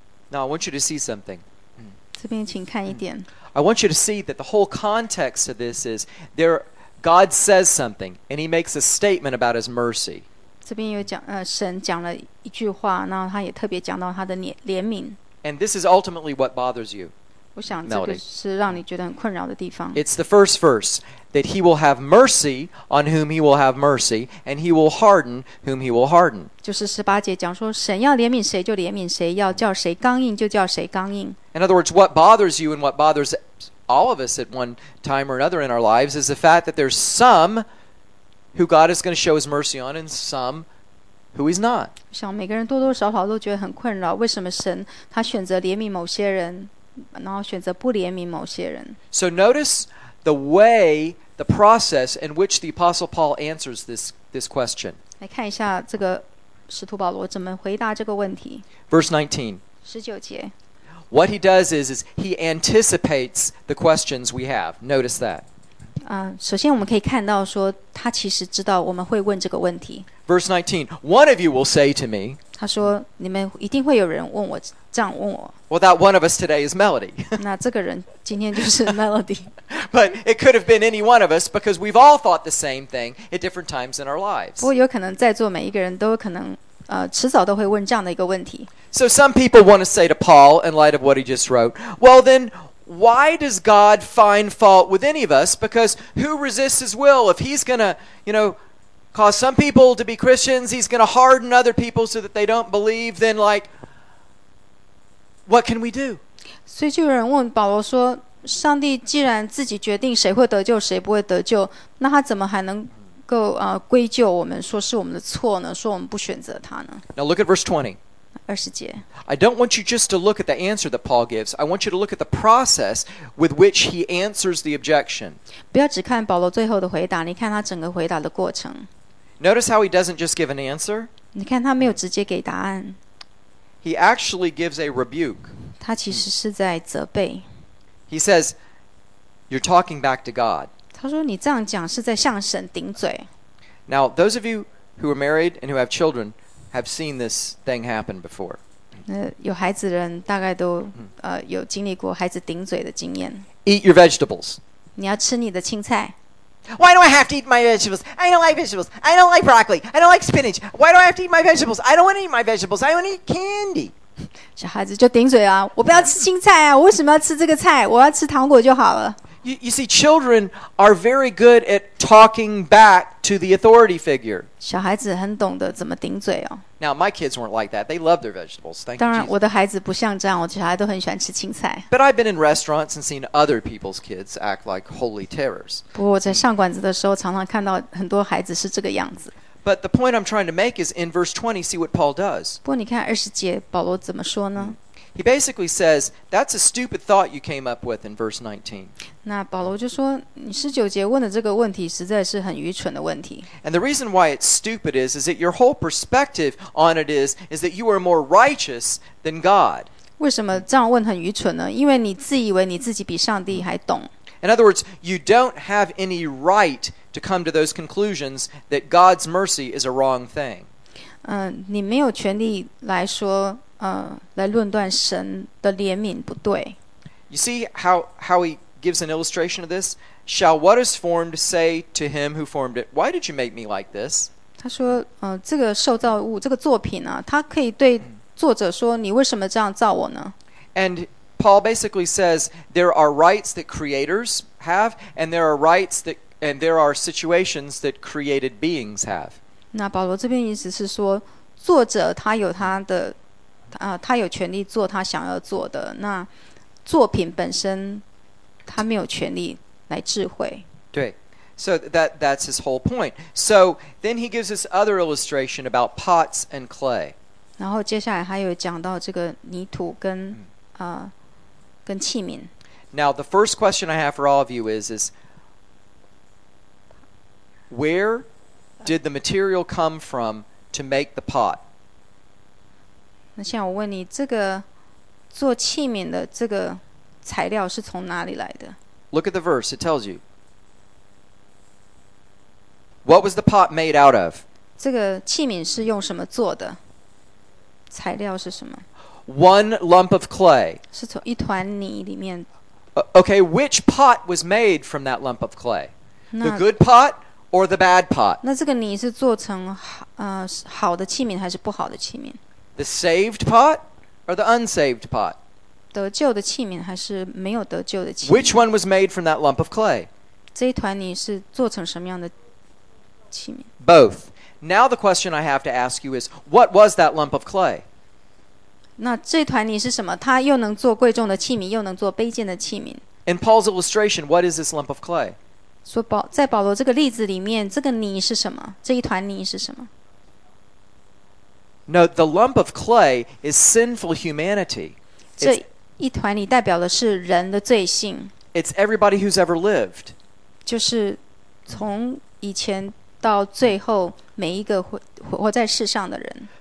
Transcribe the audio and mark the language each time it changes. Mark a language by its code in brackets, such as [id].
[en] Now, I want you to see something. [zh] 这边请看一点。 [en] I want you to see that the whole context of this is there, God says something, and he makes a statement about his mercy. [zh] 这边有讲，神讲了一句话，然后他也特别讲到他的怜悯。 [en] And this is ultimately what bothers you, Melody. [zh] 我想这个是让你觉得很困扰的地方。 [en] It's the first verse, that he will have mercy on whom he will have mercy, and he will harden whom he will harden. [zh] 就是十八节讲说，神要怜悯谁就怜悯谁，要叫谁刚硬就叫谁刚硬。 [en] In other words, what bothers you and what bothers all of us at one time or another in our lives is the fact that there's some who God is going to show his mercy on and some who he's not. [zh] 像每个人多多少少都觉得很困扰，为什么神他选择怜悯某些人，然后选择不怜悯某些人。 [en] So notice the way, the process in which the Apostle Paul answers this question. [zh] 来看一下这个使徒保罗怎么回答这个问题。 [en] Verse 19. [zh] 19节。 [en] What he does is he anticipates the questions we have. Notice that. [zh] 首先我们可以看到说他其实知道我们会问这个问题。 [en] Verse 19. One of you will say to me, [zh] 他说你们一定会有人问我这样问我 [en] Well, that one of us today is Melody. [zh] 那这个人今天就是 Melody. [en] But it could have been any one of us because we've all thought the same thing at different times in our lives. [zh] 不过有可能在座每一个人都可能迟早都会问这样的一个问题。 [en] So some people want to say to Paul, in light of what he just wrote, well then, why does God find fault with any of us? Because who resists his will? If he's going to, you know, cause some people to be Christians, he's going to harden other people so that they don't believe, then like, what can we do? [zh] 所以就有人问保罗说，上帝既然自己决定谁会得救，谁不会得救，那他怎么还能够归咎我们，说是我们的错呢？说我们不选择他呢？ [en] Now look at verse 20. [zh] 20节。 [en] I don't want you just to look at the answer that Paul gives. I want you to look at the process with which he answers the objection. [zh] 不要只看保罗最后的回答，你看他整个回答的过程。 [en] Notice how he doesn't just give an answer. [zh] 你看他没有直接给答案。 [en] He actually gives a rebuke. [zh] 他其实是在责备。 [en] He says, "You're talking back to God." [zh] 他说你这样讲是在向神顶嘴。 [en] Now, those of you who are married and who have children have seen this thing happen before. [zh] 有孩子的人大概都有经历过孩子顶嘴的经验。 [en] Eat your vegetables. [zh] 你要吃你的青菜。 [en] Why do I have to eat my vegetables? I don't like vegetables. I don't like broccoli. I don't like spinach. Why do I have to eat my vegetables? I don't want to eat my vegetables. I want to eat candy. [zh] 小孩子就顶嘴啊！我不要吃青菜啊！我为什么要吃这个菜？我要吃糖果就好了。 [en] You see, children are very good at talking back to the authority figure. [zh] 小孩子很懂得怎么顶嘴哦。 [en] Now, my kids weren't like that. They love their vegetables. Thank you. [zh] 当然，我的孩子不像这样，我小孩都很喜欢吃青菜。 [en] But I've been in restaurants and seen other people's kids act like holy terrors. [zh] 不过我在上馆子的时候，常常看到很多孩子是这个样子。 [en] But the point I'm trying to make is in verse 20, see what Paul does. [zh] 不过你看二十节，保罗怎么说呢？ [en] He basically says, that's a stupid thought you came up with in verse 19. [zh] 那保罗就说，你十九节问的这个问题实在是很愚蠢的问题。 [en] And the reason why it's stupid is that your whole perspective on it is that you are more righteous than God. [zh] 为什么这样问很愚蠢呢？因为你自以为你自己比上帝还懂。 [en] In other words, you don't have any right to come to those conclusions that God's mercy is a wrong thing. [zh] 你没有权利来说，来论断神的怜悯不对。 [en] You see how he gives an illustration of this? Shall what is formed say to him who formed it, why did you make me like this? [zh] 他说，这个受造物，这个作品啊，他可以对作者说，你为什么这样造我呢？ [en] And Paul basically says there are rights that creators have, and there are rights that, and there are situations that created beings have. [zh] 那保罗这边意思是说，作者他有他的，他有权利做他想要做的。那作品本身，他没有权利来智慧。 [en] 对。So that's his whole point. So then he gives this other illustration about pots and clay. [zh] 然后接下来他有讲到这个泥土跟跟器皿。 [en] Now the first question I have for all of you is where did the material come from to make the pot? [zh] 那现在我问你，这个做器皿的这个材料是从哪里来的？ [en] Look at the verse, it tells you. What was the pot made out of? [zh] 这个器皿是用什么做的？材料是什么？ [en] One lump of clay. [zh] 是从一团泥里面。 [en] Okay, which pot was made from that lump of clay? The good pot or the bad pot? [zh] 那这个泥是做成好的器皿还是不好的器皿？ [en] The saved pot or the unsaved pot? [zh] 得救的器皿还是没有得救的器皿？ [en] Which one was made from that lump of clay? [zh] 这一团泥是做成什么样的器皿？ [en] Both. Now the question I have to ask you is, what was that lump of clay? [zh] 那这团泥是什么？它又能做贵重的器皿，又能做卑贱的器皿。 [en] In Paul's illustration, what is this lump of clay? [zh] 说在保罗这个例子里面，这个泥是什么？这一团泥是什么？ [en] No, the lump of clay is sinful humanity. [zh] 这一团泥代表的是人的罪性。 [en] It's everybody who's ever lived. [zh] 就是从以前到最后每一个活在世上的人。